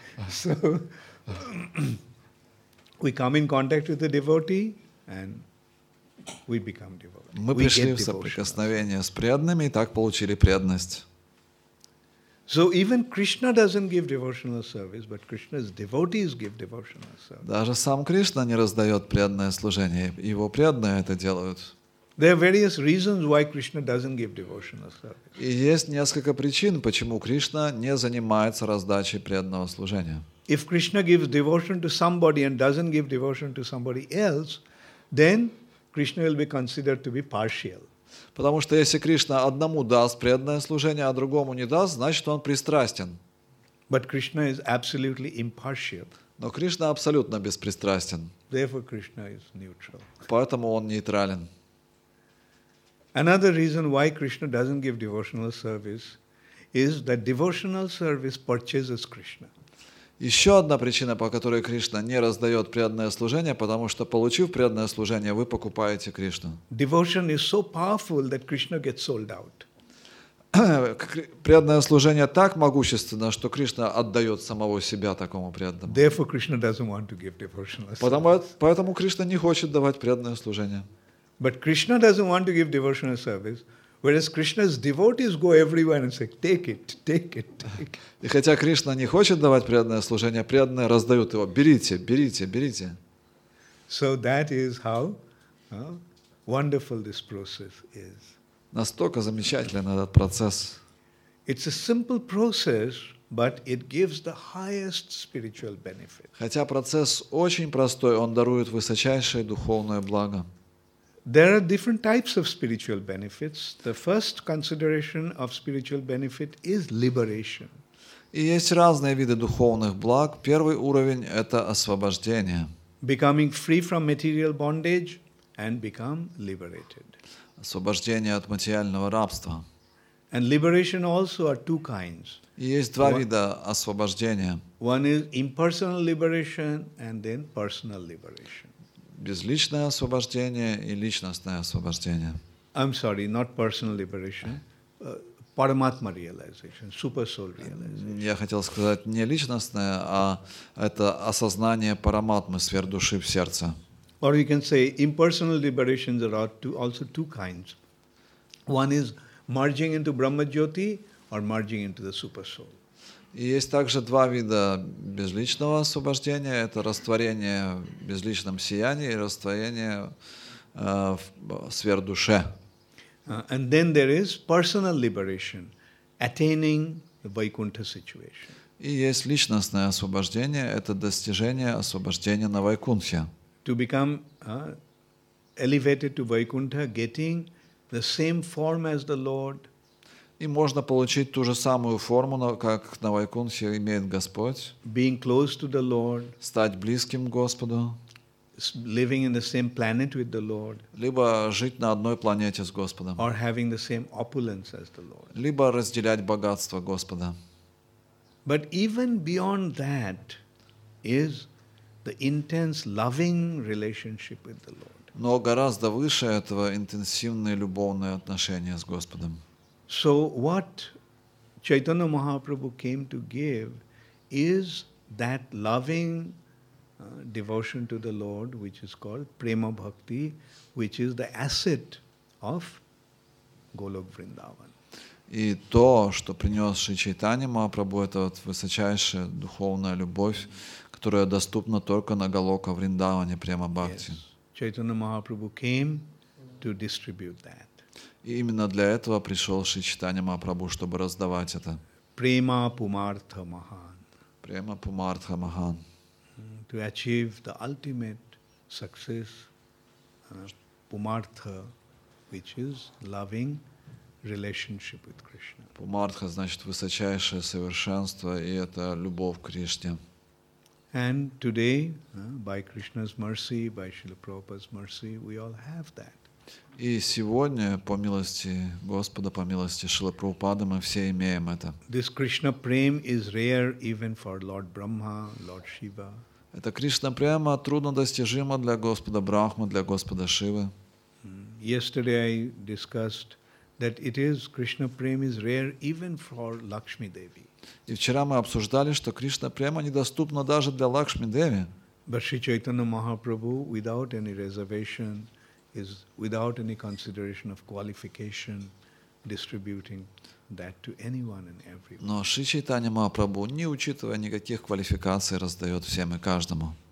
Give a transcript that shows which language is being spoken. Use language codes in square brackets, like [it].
[en] So we come in contact with the devotee and we become devotees. [ru] Мы пришли в соприкосновение с преданными и так получили преданность. [en] So even Krishna doesn't give devotional service, but Krishna's devotees give devotional service. [ru] Даже сам Кришна не раздает преданное служение, его преданные это делают. [en] There are various reasons why Krishna doesn't give devotional service. [ru] И есть несколько причин, почему Кришна не занимается раздачей преданного служения. [en] If Krishna gives devotion to somebody and doesn't give devotion to somebody else, then Krishna will be considered to be partial. [ru] Потому что если Кришна одному даст преданное служение, а другому не даст, значит он пристрастен. [en] But Krishna is absolutely impartial. [ru] Но Кришна абсолютно беспристрастен. [en] Therefore Krishna is neutral. [ru] Поэтому он нейтрален. [en] Another reason why Krishna doesn't give devotional service is that devotional service purchases Krishna. [ru] Еще одна причина, по которой Кришна не раздает преданное служение, потому что, получив преданное служение, вы покупаете Кришну. [en] Devotion is so powerful that Krishna gets sold out. [ru] Преданное служение так могущественно, что Кришна отдает самого себя такому преданному. [en] Therefore, Krishna doesn't want to give devotional service. [ru] Поэтому Кришна не хочет давать преданное служение. [en] But Krishna doesn't want to give devotional service. Whereas Krishna's devotees go everywhere and say, take it, take it, take it. [ru] И хотя Кришна не хочет давать преданное служение, преданные раздают его. Берите, берите, берите. [en] So that is how wonderful this process is. [ru] Настолько замечателен этот процесс. [en] It's a simple process, but it gives the highest spiritual benefit. [ru] Хотя процесс очень простой, он дарует высочайшее духовное благо. [en] There are different types of spiritual benefits. The first consideration of spiritual benefit is liberation. [ru] И есть разные виды духовных благ. Первый уровень – это освобождение. [en] Becoming free from material bondage and become liberated. [ru] Освобождение от материального рабства. [en] And liberation also are two kinds. [ru] И есть два вида освобождения. [en] One is impersonal liberation and then personal liberation. [ru] Безличное освобождение и личностное освобождение. [en] I'm sorry, not personal liberation. Paramatma realization, super soul realization. [ru] Я хотел сказать не личностное, а это осознание параматмы, сверхдуши в сердце. [en] Or you can say impersonal liberations are also two kinds. One is merging into Brahma Jyoti or merging into the super soul. [ru] И есть также два вида безличного освобождения. Это растворение в безличном сиянии и растворение в сверхдуше. [en] And then there is personal liberation, attaining the Vaikuntha situation. [ru] И есть личностное освобождение. Это достижение освобождения на Вайкунтхе. [en] To become elevated to Vaikuntha, getting the same form as the Lord. [ru] И можно получить ту же самую форму, как на Вайкунтхе имеет Господь. [en] Being close to the Lord, [ru] стать близким к Господу. [en] Living in the same planet with the Lord, [ru] либо жить на одной планете с Господом. [en] Or having the same opulence as the Lord. [ru] Либо разделять богатство Господа. [en] But even beyond that is the intense loving relationship with the Lord. [ru] Но гораздо выше этого интенсивные любовные отношения с Господом. [en] So what Chaitanya Mahaprabhu came to give is that loving devotion to the Lord, which is called prema bhakti, which is the asset of Golok Vrindavan. [ru] И то, что принес Шри Чайтанья Махапрабху, это вот высочайшая духовная любовь, которая доступна только на Голока Вриндаване, према бхакти. [en] Чайтанья Махапрабху came to distribute that. [ru] И именно для этого пришел Шри Чайтанья Махапрабху, чтобы раздавать это. [sa] Према пумартха махан. Према пумартха махан. [en] To achieve the ultimate success, pumartha, which is loving relationship with Krishna. [ru] Pumartha значит высочайшее совершенство, и это любовь к Кришне. [en] And today, by Krishna's mercy, by Srila Prabhupada's mercy, we all have that. [ru] И сегодня, по милости Господа, по милости Шрила Прабхупады, мы все имеем это. [en] This Krishna prem is rare even for Lord Brahma, Lord Shiva. [ru] Это Кришна прямо труднодостижимо для Господа Брахмы, для Господа Шивы. [en] Yesterday I discussed that it is Krishna prema is rare even for Lakshmi Devi. [ru] И вчера мы обсуждали, что Кришна према недоступна даже для Лакшми Деви. [en] But Sri Chaitanya Mahaprabhu, without any reservation, is without any consideration of qualification, distributing that to anyone and everyone. [ru] Но Шри Чайтанья Махапрабху, не учитывая никаких квалификаций, раздает всем и каждому.